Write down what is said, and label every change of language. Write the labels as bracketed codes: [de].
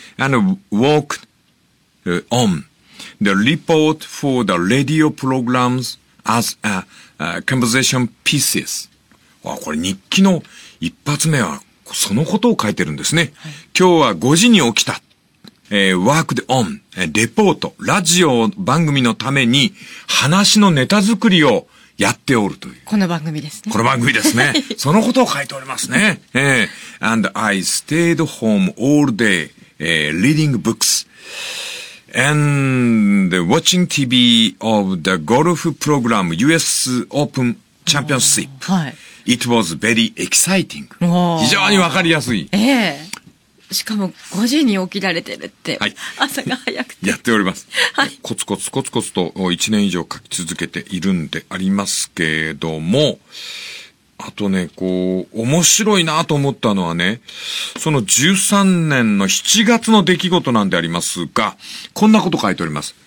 [en] and walked on the report for the radio programs as a composition pieces. [ja] わ、これ日記の一発目はそのことを書いてるんですね。はい、今日は5時に起きた。 worked on, レポート、ラジオ番組のために話のネタ作りをやっておるという。この番組ですね。この番組ですね。そのことを書いておりますね。 [en] and I stayed home all day, reading books and watching TV of the golf program US Open Championship.、 [ja] はい、 [en] It was very exciting. 非常にわかりやすい。 [ja] しかも5時に起きられてるって、はい、朝が早くてやっております、はい、コツコツコツコツと1年以上書き続けているんでありますけれども、あとね、こう面白いなと思ったのはね、その13年の7月の出来事なんでありますが、こんなこと書いております。